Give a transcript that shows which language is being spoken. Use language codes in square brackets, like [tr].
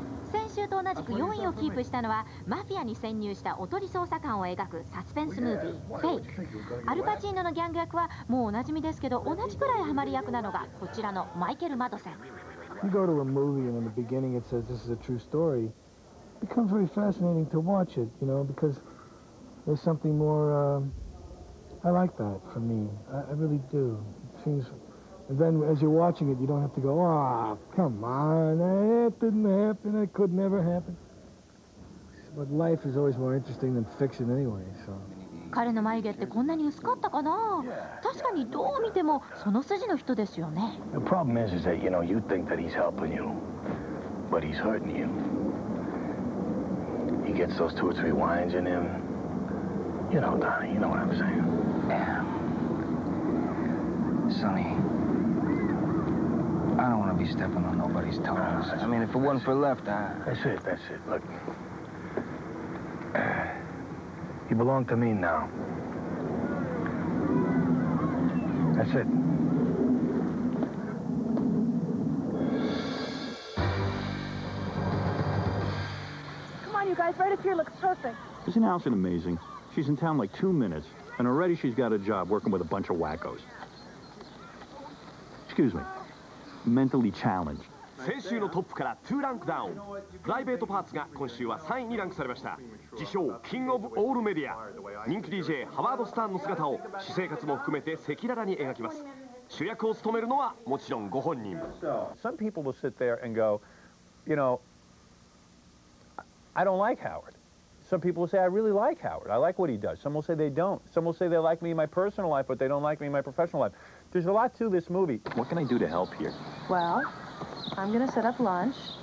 [ja] 先週と同じく4位をキープしたのは、マフィアに潜入したおとり捜査官を描くサスペンスムービー、フェイク。アルパチーノのギャング役はもうおなじみですけど、同じくらいハマり役なのがこちらのマイケル・マドセン。 [en] You go to a movie and in the beginning it says this is a true story. It becomes very fascinating to watch it, you know, because there's something more, I like that for me. I really do. It seems... And then as you're watching it, you don't have to go, oh, come on, that didn't happen, that could never happen. But life is always more interesting than fiction anyway, so... [ja] 彼の眉毛ってこんなに薄かったかな？確かにどう見てもその筋の人ですよね。 [en] The problem is that, you know, you think that he's helping you, but he's hurting you. He gets those two or three wines in him. You know, Donnie, you know what I'm saying? Yeah. Sonny, I don't want to be stepping on nobody's toes. I mean, if it wasn't for Left, I... That's it. Look. You belong to me now. That's it. Come on, you guys. Right up here looks perfect. Isn't Allison amazing? She's in town like 2 minutes, and already she's got a job working with a bunch of wackos. Excuse me. Mentally challenged. [ja] 先週のトップから2ランクダウン。プライベートパーツが今週は3位にランクされました。自称キングオブオールメディア。人気 DJ ハワード・スターンの姿を私生活も含めて赤裸々に描きます。主役を務めるのはもちろんご本人。 [en] Some people will sit there and go, you know, I don't like Howard. Some people will say, I really like Howard. I like what he does. Some will say they don't. Some will say they like me in my personal life, but they don't like me in my professional life. There's a lot to this movie. What can I do to help here? Well, I'm going to set up lunch.